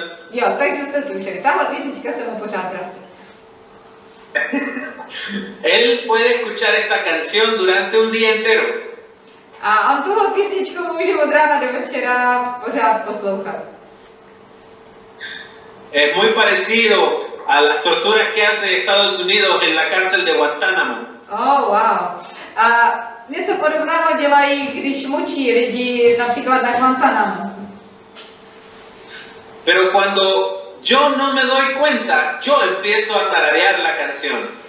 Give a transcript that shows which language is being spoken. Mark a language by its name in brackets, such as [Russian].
[Czech] Jo, takže jste slyšeli, tahle písnička se mu pořád vrací. [Spanish] Él puede escuchar esta canción durante un día entero. [Czech] A on tuhle písničku může od rána do večera pořád poslouchat. [Spanish] Es muy parecido a las torturas que hace Estados Unidos en la cárcel de Guantánamo. [English] Oh, wow. [Czech] A něco podobného dělají, když mučí lidi například na Guantánamo. [Spanish] Pero cuando yo no me doy cuenta, yo empiezo a tararear la canción.